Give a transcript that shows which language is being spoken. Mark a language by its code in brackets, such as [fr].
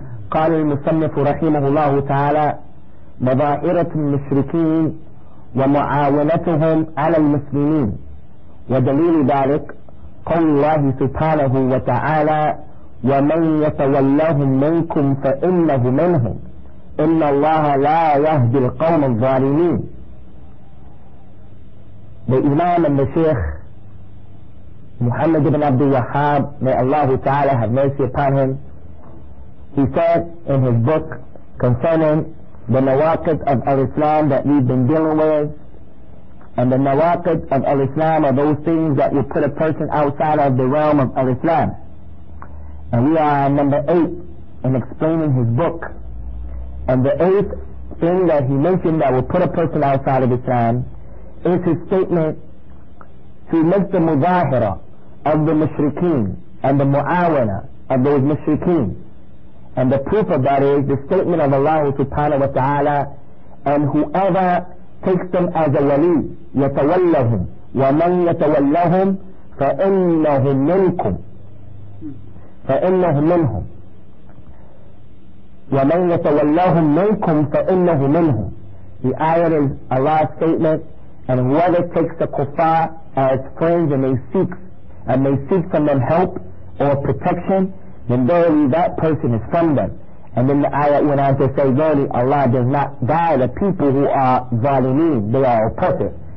[ar] قال المصنف رحمه الله تعالى: مظاهرة المشركين ومعاونتهم على المسلمين، ودليل ذلك قول الله سبحانه وتعالى: ومن يتولهم منكم فإنه منهم إن الله لا يهدي القوم الظالمين. [en] بإمام الشيخ محمد بن عبد الوهاب، may Allah تعالى have mercy upon him, he said in his book concerning the nawaqid of al-Islam that we've been dealing with, and the nawaqid of al-Islam are those things that will put a person outside of the realm of al-Islam. And we are number 8 in explaining his book. And the 8th thing that he mentioned that will put a person outside of Islam is his statement to make the mudahira of the mushrikeen and the mu'awana of those mushrikeen. And the proof of that is the statement of Allah subhanahu wa ta'ala: and whoever takes them as a wali, yatawallahum, [ar] wa man yatawallahum fa innahum minkum. فإنه منهم ومن يتولاهم منكم فإنه منهم. [en] The ayah is Allah's statement, and whoever takes the kuffar as friends and may seek from them help or protection, then verily that person is from them. And then the ayah went on to say, verily Allah does not guide the people who are zalimin, they are oppressed.